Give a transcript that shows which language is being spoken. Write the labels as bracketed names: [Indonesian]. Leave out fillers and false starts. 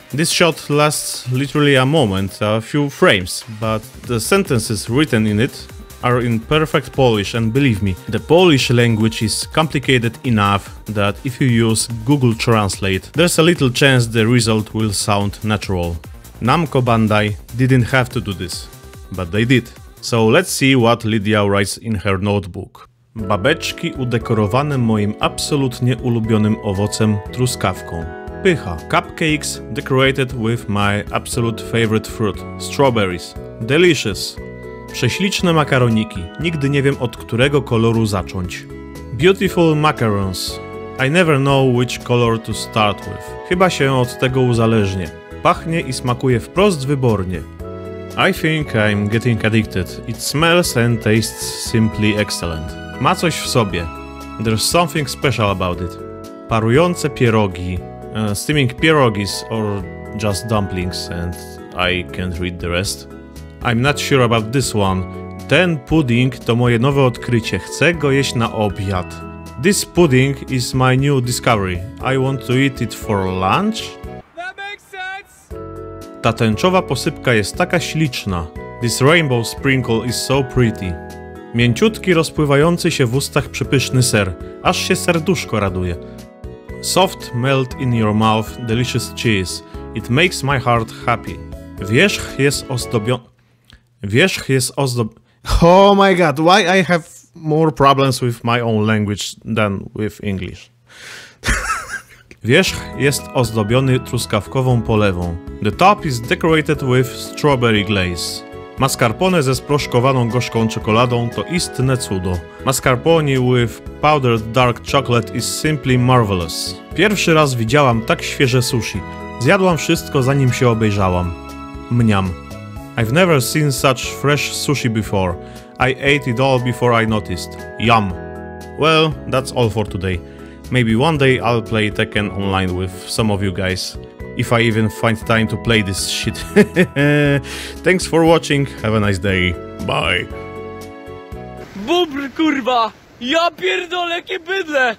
[English] This shot lasts literally a moment, a few frames, but the sentences written in it are in perfect Polish, and believe me, the Polish language is complicated enough that if you use Google Translate, there's a little chance the result will sound natural. Namco Bandai didn't have to do this, but they did. So let's see what Lidia writes in her notebook. [Polish] Babeczki udekorowane moim absolutnie ulubionym owocem truskawką. Pycha. [English] Cupcakes decorated with my absolute favorite fruit, strawberries. Delicious. [Polish] Prześliczne makaroniki. Nigdy nie wiem, od którego koloru zacząć. [English] Beautiful macarons. I never know which color to start with. [Polish] Chyba się od tego uzależnię. Pachnie i smakuje wprost wybornie. [English] I think I'm getting addicted. It smells and tastes simply excellent. [Polish] Ma coś w sobie. [English] There's something special about it. [Polish] Parujące pierogi. [English] Steaming pierogis or just dumplings, and I can't read the rest. I'm not sure about this one. [Polish] Ten pudding to moje nowe odkrycie. Chcę go jeść na obiad. [English] This pudding is my new discovery. I want to eat it for lunch. That makes sense. [Polish] Ta tęczowa posypka jest taka śliczna. [English] This rainbow sprinkle is so pretty. [Polish] Mięciutki, rozpływający się w ustach przepyszny ser. Aż się serduszko raduje. [English] Soft melt in your mouth, delicious cheese. It makes my heart happy. [Polish] Wierzch jest ozdobiony. Wierzch jest ozdob... [English] Oh my god, why I have more problems with my own language than with English. [Polish] Wierzch jest ozdobiony truskawkową polewą. [English] The top is decorated with strawberry glaze. [Polish] Mascarpone ze sproszkowaną gorzką czekoladą to istne cudo. [English] Mascarpone with powdered dark chocolate is simply marvelous. [Polish] Pierwszy raz widziałam tak świeże sushi. Zjadłam wszystko, zanim się obejrzałam. Mniam. [English] I've never seen such fresh sushi before. I ate it all before I noticed. Yum. Well, that's all for today. Maybe one day I'll play Tekken online with some of you guys. If I even find time to play this shit. Thanks for watching. Have a nice day. Bye. [Polish] Bubr kurwa! Ja pierdolę jakie bydle!